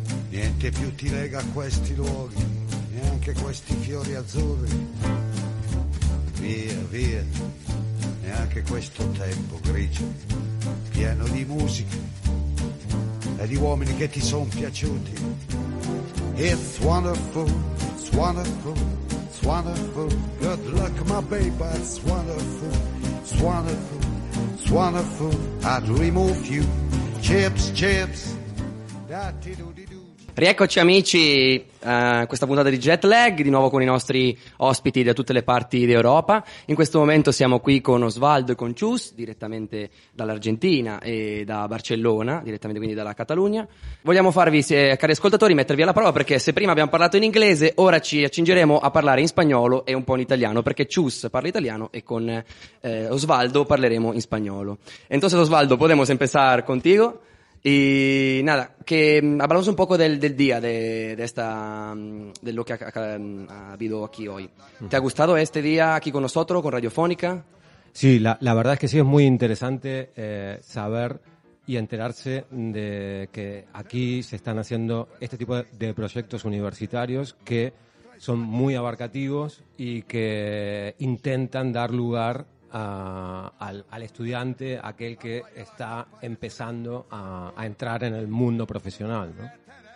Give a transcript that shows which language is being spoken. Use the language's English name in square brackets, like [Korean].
[Italian] Niente più ti lega a questi luoghi, neanche questi fiori azzurri. Via, via, neanche questo tempo grigio, pieno di musica e di uomini che ti son piaciuti. [English] It's wonderful, it's wonderful, it's wonderful, good luck my baby, it's wonderful, it's wonderful, it's wonderful, I'd remove you, chips, chips, da-ti-do-di-do. [Italian] Rieccoci amici, questa puntata di Jet Lag, di nuovo con i nostri ospiti da tutte le parti d'Europa. In questo momento siamo qui con Osvaldo e con Cius, direttamente dall'Argentina e da Barcellona, direttamente quindi dalla Catalogna. Vogliamo farvi, se, cari ascoltatori, mettervi alla prova, perché se prima abbiamo parlato in inglese, ora ci accingeremo a parlare in spagnolo e un po' in italiano, perché Cius parla italiano e con Osvaldo parleremo in spagnolo. [Spanish] Entonces Osvaldo, podemos empezar contigo? Y nada, que hablamos un poco del día de lo que ha habido aquí hoy. ¿Te ha gustado este día aquí con nosotros, con Radiofónica? Sí, la verdad es que sí, es muy interesante saber y enterarse de que aquí se están haciendo este tipo de proyectos universitarios que son muy abarcativos y que intentan dar lugar al estudiante, aquel que está empezando a entrar en el mundo profesional, ¿no?